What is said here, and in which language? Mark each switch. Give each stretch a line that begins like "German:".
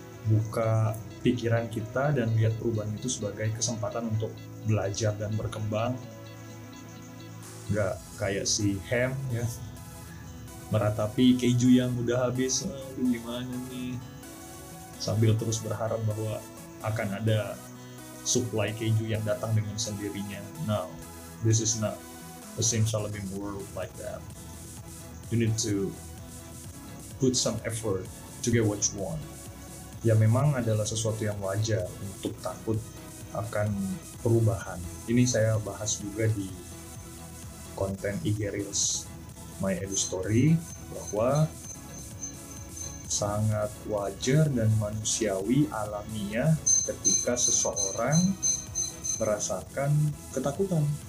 Indonesian: Buka pikiran kita dan lihat perubahan itu sebagai kesempatan untuk belajar dan berkembang. Gak kayak si Ham ya, meratapi keju yang udah habis, aduh gimana nih, sambil terus berharap bahwa akan ada supply keju yang datang dengan sendirinya.
English: No, this is not the same shalabim world like that. You need to put some effort to get what you want.
Indonesian: Ya memang adalah sesuatu yang wajar untuk takut akan perubahan. Ini saya bahas juga di konten IG Reels My Edu Story, bahwa sangat wajar dan manusiawi alamiah ketika seseorang merasakan ketakutan.